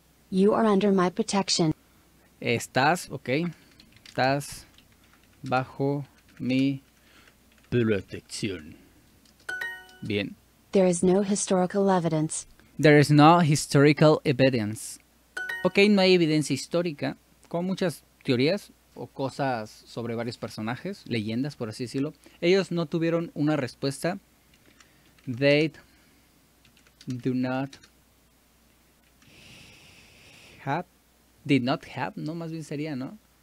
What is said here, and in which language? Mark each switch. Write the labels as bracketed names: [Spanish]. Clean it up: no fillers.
[English] You are under my protection. [Spanish] Estás, ok. Estás bajo mi protección. Bien. [English] There is no historical evidence. There is no historical evidence. [Spanish] Ok, no hay evidencia histórica. Con muchas teorías o cosas sobre varios personajes, leyendas, por así decirlo. Ellos no tuvieron una respuesta. [English] They do not have. Did not have, [Spanish] no, más bien sería, ¿no?